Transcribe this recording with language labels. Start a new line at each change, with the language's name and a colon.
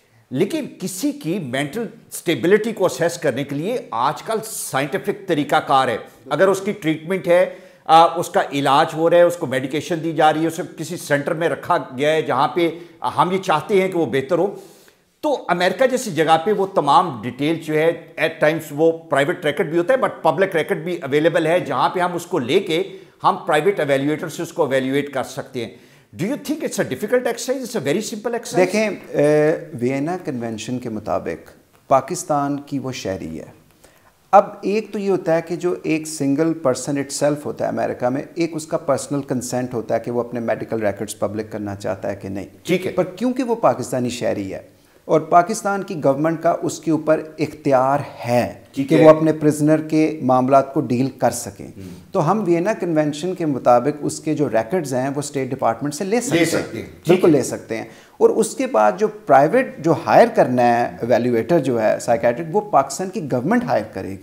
Urdu: لیکن کسی کی مینٹل سٹیبلٹی کو اسیس کرنے کے لیے آج کل سائنٹیفک طریقہ کار ہے, اگر اس کی ٹریٹمنٹ ہے, اس کا علاج ہو رہا ہے, اس کو میڈیکیشن دی جا رہی ہے, اسے کسی سینٹر میں رکھا گیا ہے جہاں پہ ہم یہ چاہتے ہیں کہ وہ بہتر ہو, تو امریکہ جیسی جگہ پہ وہ تمام ڈیٹیل جو ہے ایٹ ٹائمز وہ پرائیویٹ ریکارڈ بھی ہوتا ہے بٹ پبلک ریکارڈ بھی اویلیبل ہے جہاں پہ ہم اس کو لے کے ہم پرائیویٹ ایویلیویٹر سے اس کو ایویلیویٹ کر سکتے ہیں.
English: Do you think it's a difficult exercise? It's a very simple exercise.
Urdu: دیکھیں وینا کنونشن کے مطابق پاکستان کی وہ شہری ہے. اب ایک تو یہ ہوتا ہے کہ جو ایک سنگل پرسن اٹ سیلف ہوتا ہے امریکہ میں, ایک اس کا پرسنل کنسینٹ ہوتا ہے کہ وہ اپنے میڈیکل ریکارڈس پبلک کرنا چاہتا ہے کہ نہیں. ٹھیک ہے, پر کیونکہ وہ پاکستانی شہری ہے اور پاکستان کی گورنمنٹ کا اس کے اوپر اختیار ہے کہ وہ اپنے پرزنر کے معاملات کو ڈیل کر سکیں, تو ہم وینا کنونشن کے مطابق اس کے جو ریکارڈز ہیں وہ اسٹیٹ ڈپارٹمنٹ سے لے سکتے ہیں, بالکل لے سکتے ہیں, اور اس کے بعد جو پرائیویٹ جو ہائر کرنا ہے ایویلیویٹر جو ہے سائیکیٹرک وہ پاکستان کی گورنمنٹ ہائر کرے.